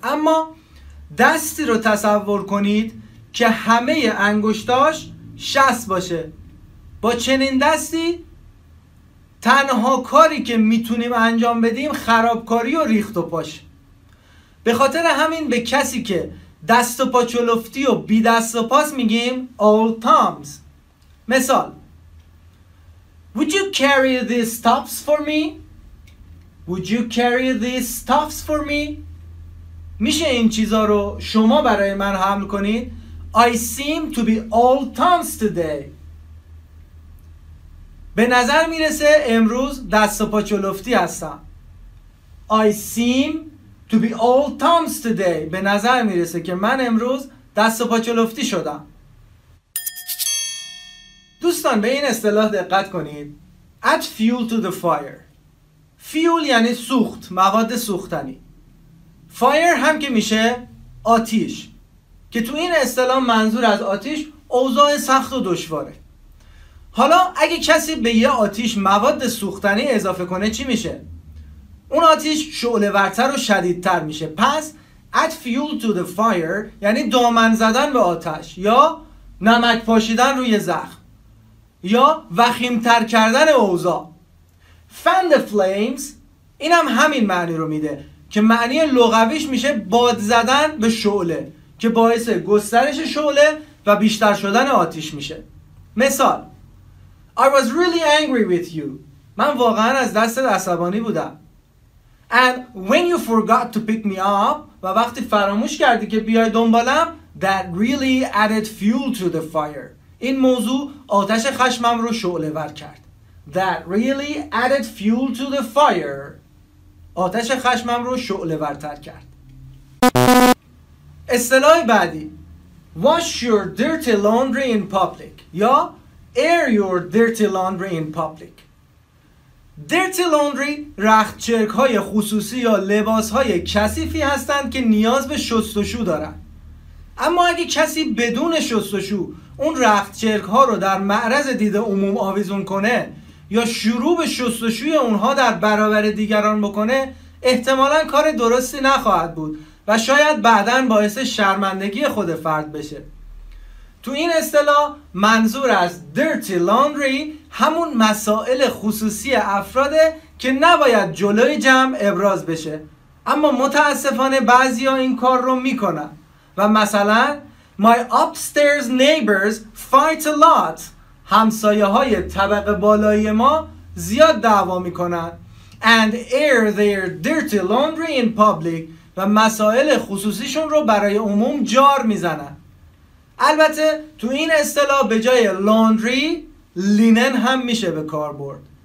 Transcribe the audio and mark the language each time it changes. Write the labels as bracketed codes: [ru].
[fa] اما دستی رو تصور کنید که همه انگشتاش شست باشه. با چنین دستی تنها کاری که میتونیم انجام بدیم خرابکاری و ریخت و پاش. به خاطر همین به کسی که دست و پا چلفتی و بی دست و پاس میگیم all thumbs. [en] مثال: Would you carry these stuffs for me? Would you carry these stuffs for me? [fa] میشه این چیزا رو شما برای من حمل کنید؟ [en] I seem to be all thumbs today. [fa] به نظر میرسه امروز دست و پا چلفتی هستم. [en] I seem to be all thumbs today. [fa] به نظر میرسه که من امروز دست و پا چلفتی شدم. دوستان به این اصطلاح دقت کنید. [en] Add fuel to the fire. [fa] Fuel یعنی سوخت، مواد سوختنی. Fire هم که میشه آتیش، که تو این اصطلاح منظور از آتیش اوضاع سخت و دشواره. حالا اگه کسی به یه آتیش مواد سوختنی اضافه کنه چی میشه؟ اون آتیش شعله ورتر و شدیدتر میشه. پس add fuel to the fire یعنی دامن زدن به آتش، یا نمک پاشیدن روی زخم، یا وخیمتر کردن اوضاع. Fan the flames اینم همین معنی رو میده که معنی لغویش میشه باد زدن به شعله، که باعث گسترش شعله و بیشتر شدن آتیش میشه. [en] مثال: I was really angry with you. [fa] من واقعا از دستت عصبانی بودم. [en] And when you forgot to pick me up [fa] و وقتی فراموش کردی که بیای دنبالم، [en] that really added fuel to the fire. [fa] این موضوع آتش خشمم رو شعله ور کرد. [en] That really added fuel to the fire. [fa] آتش خشمم رو شعله ورتر کرد. اصطلاح بعدی: [en] Wash your dirty laundry in public. یا Air your dirty laundry in public. [fa] Dirty laundry رختچرک های خصوصی یا لباس های کثیفی هستند که نیاز به شستشو دارن. اما اگه کسی بدون شستشو اون رختچرک ها رو در معرض دید عموم آویزون کنه یا شروع به شستشوی اونها در برابر دیگران بکنه، احتمالاً کار درستی نخواهد بود و شاید بعداً باعث شرمندگی خود فرد بشه. تو این اصطلاح منظور از dirty laundry همون مسائل خصوصی افراده که نباید جلوی جمع ابراز بشه، اما متاسفانه بعضیا این کار رو میکنن. و مثلا [en] My upstairs neighbors fight a lot. [fa] همسایه های طبقه بالایی ما زیاد دعوا میکنن. [en] And air their dirty laundry in public. [fa] و مسائل خصوصیشون رو برای عموم جار میزنن. البته تو این اصطلاح به جای لاندری لینن هم میشه به کار برد.